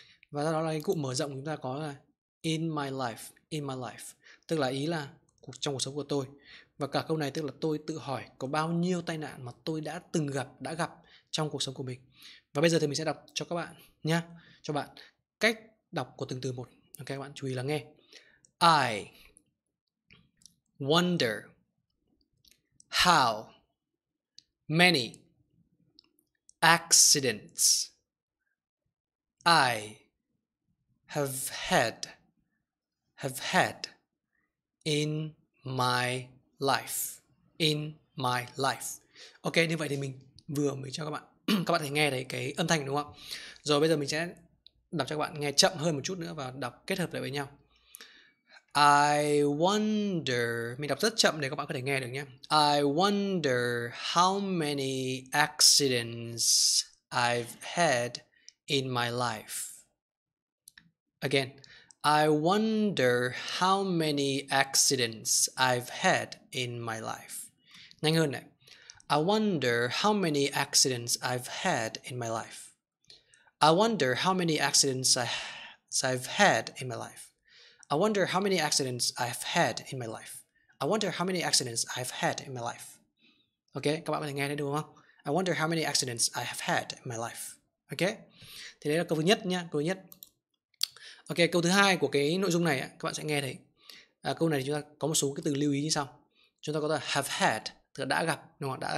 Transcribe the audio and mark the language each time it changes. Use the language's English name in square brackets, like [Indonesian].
[Vietnamese] Và sau đó là cái cụm mở rộng chúng ta có là [English] In my life, [Vietnamese] tức là ý là trong cuộc sống của tôi. Và cả câu này tức là tôi tự hỏi có bao nhiêu tai nạn mà tôi đã từng gặp, đã gặp trong cuộc sống của mình. Và bây giờ thì mình sẽ đọc cho các bạn nhá, cho bạn cách đọc của từng từ một. Ok, các bạn chú ý lắng nghe. I [English] wonder, how many accidents I have had in my life. In my life. [Vietnamese] Ok, như vậy thì mình vừa mới cho các bạn các bạn thấy nghe thấy cái âm thanh đúng không? Rồi bây giờ mình sẽ đọc cho các bạn nghe chậm hơn một chút nữa và đọc kết hợp lại với nhau. [English] I wonder, [Vietnamese] mình đọc rất chậm để các bạn có thể nghe được nhé. [English] I wonder how many accidents I've had in my life. Again, I wonder how many accidents I've had in my life. [Vietnamese] Nhanh hơn này. [English] I wonder how many accidents I've had in my life. I wonder how many accidents I've had in my life. I wonder how many accidents I've had in my life. I wonder how many accidents I've had in my life. Okay, [Vietnamese] các bạn có thể nghe thấy đúng không? [English] I wonder how many accidents I have had in my life. [Vietnamese] Okay, thì đấy là câu thứ nhất nhá, câu thứ nhất. Okay, câu thứ hai của cái nội dung này á, các bạn sẽ nghe thấy. Câu này thì chúng ta có một số cái từ lưu ý như sau. Chúng ta có từ have had, tức là đã gặp, đúng không?